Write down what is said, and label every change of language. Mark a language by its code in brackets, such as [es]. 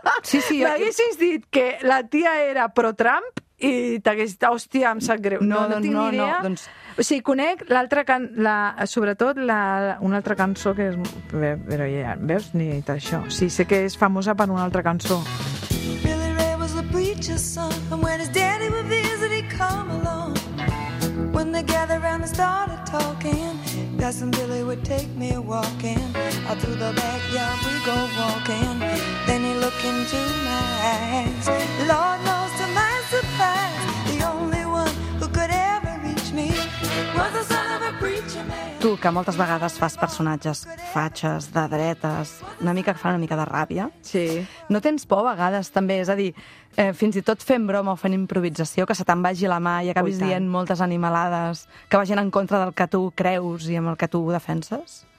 [ca] Sí, m'haguessis dit que la tia era pro-Trump i t'hagués dit, hòstia, em sap greu. No, doncs, o sigui, conec l'altra sobretot una altra cançó que és... Però ja, veus? Ni dit això. Sí, sé que és famosa per una altra cançó. [en] Billy Ray was a preacher's son, and when his daddy would visit, he'd come along. When they gathered around and started talking, Cousin Billy would take me walking. Out through the backyard we go walking. Then he'd look into my eyes. Lord knows to my surprise, the only one who could ever reach me was the son of a preacher man. [ca] Tu, que moltes vegades fas personatges fatxes, de dretes, una mica que fa una mica de ràbia. Sí. No tens por a vegades, també? És a dir, fins i tot fent broma o fent improvisació, que se te'n vagi la mà i acabis dient moltes animalades, que vagin en contra del que tu creus i amb el que tu defenses?